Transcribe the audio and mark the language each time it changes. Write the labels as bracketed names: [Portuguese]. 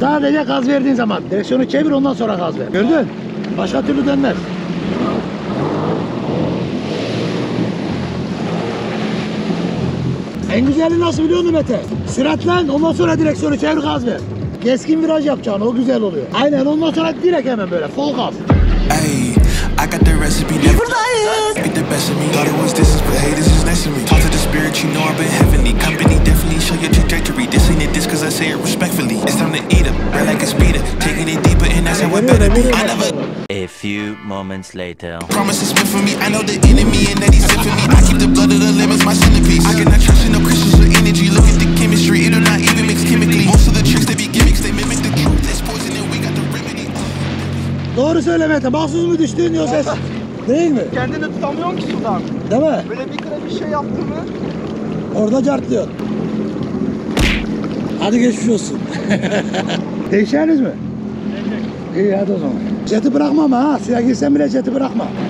[Turkish] Sadece gaz verdiğin zaman. Direksiyonu çevir ondan sonra gaz ver. Gördün? Başka türlü dönmez. En güzeli nasıl biliyor musun Mete? Süratlen ondan sonra direksiyonu çevir gaz ver. Keskin viraj yapacaksın o güzel oluyor. Aynen ondan sonra direkt hemen böyle full gaz. [English] I got the recipe, never lie. Get the best of me. Thought it was distance, but haters is next to me. Talk to the spirit, you know I've been heavenly. Company definitely show your trajectory. This ain't a diss, cause I say it respectfully. It's time to eat up, right like a speeder. Taking it deeper, and that's how it better be. I never. A few moments later. Promise it's meant for me. I know the enemy, and that he's sent for me. I keep the blood of the lemons my centerpiece. I cannot trust in no Christians or energy. Look at the chemistry, it'll not even mix chemically. Most of the tricks they be gimmicks, they mimic the truth. It's poison, and we got the remedy. [Turkish] Doğru söyle Mete. Mahsus mu düştün yoksa sen? Değil mi? Kendini tutamıyorsun ki sudan. Değil mi? Böyle bir kere bir şey yaptın mı? Orada cartlıyorsun. Hadi geçmiş olsun. Değişeriz mi? Değil. İyi hadi o zaman. Jeti bırakma ama ha. Suya girsen bile jeti bırakma.